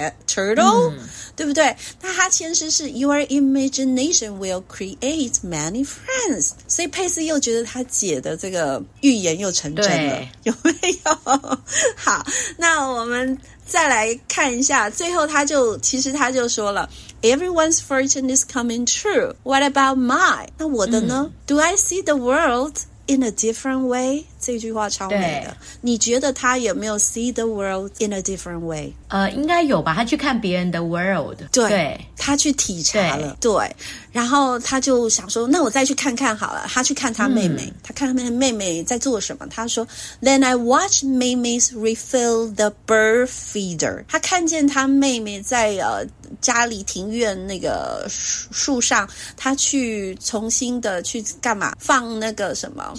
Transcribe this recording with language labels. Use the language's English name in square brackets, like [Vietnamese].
[Chinese] turtle、对不对那他签诗是 [English] Your imagination will create many friends [Chinese] 所以佩斯又觉得他姐的这个预言又成真了有没有好那我们再来看一下最后他就说了 [English] Everyone's fortune is coming true What about mine? [Chinese] 那我的呢、 [English] Do I see the world in a different way? [Chinese] 这句话超美的你觉得他有没有 [English] see the world in a different way? [Chinese] 应该有吧他去看别人的 world 对他去体察了 对然后他就想说那我再去看看好了他去看他妹妹、他看他妹妹在做什么他说 [English] Then I watch [Chinese] 妹妹 [English] refill the bird feeder [Chinese] 他看见他妹妹在家里庭院那个树上他去重新的去干嘛放那个什么